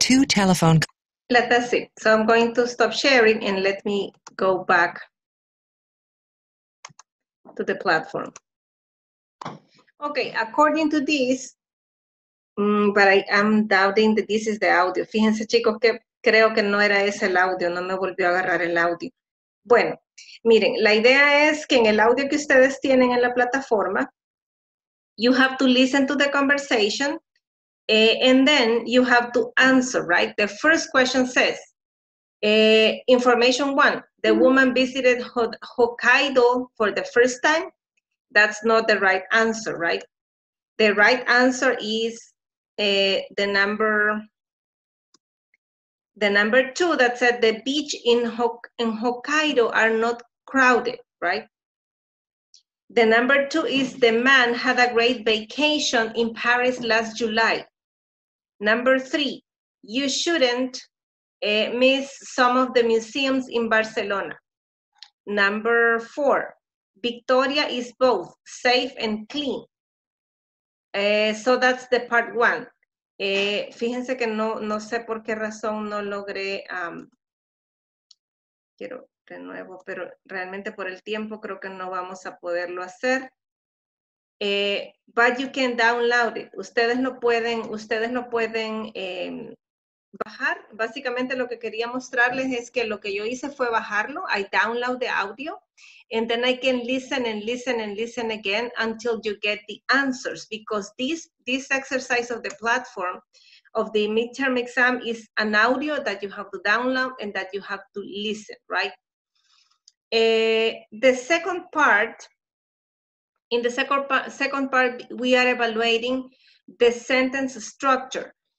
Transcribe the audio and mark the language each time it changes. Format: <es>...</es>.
<en>Two telephone calls. That's it. So I'm going to stop sharing and let me go back to the platform. Okay, according to this, but I am doubting that this is the audio.</en> <es>Fíjense, chicos, que creo que no era ese el audio. No me volvió a agarrar el audio. Bueno, miren, la idea es que en el audio que ustedes tienen en la plataforma,</es> <en>you have to listen to the conversation, and then you have to answer, right? The first question says, information one, the woman visited Hokkaido for the first time. That's not the right answer, right? The right answer is the number two that said the beach in Hokkaido are not crowded, right? The number two is the man had a great vacation in Paris last July. Number three, you shouldn't miss some of the museums in Barcelona. Number four, Victoria is both safe and clean. So that's the part one.</en> <es>Fíjense que no sé por qué razón no logré, quiero de nuevo, pero realmente por el tiempo creo que no vamos a poderlo hacer.</es> <en>But you can download it.</en> <es>Ustedes no pueden bajar. Básicamente lo que quería mostrarles es que lo que yo hice fue bajarlo.</es> <en>I download the audio. And then I can listen and listen and listen again until you get the answers. Because this exercise of the platform of the midterm exam is an audio that you have to download and that you have to listen, right? The second part, in the second part, we are evaluating the sentence structure.</en>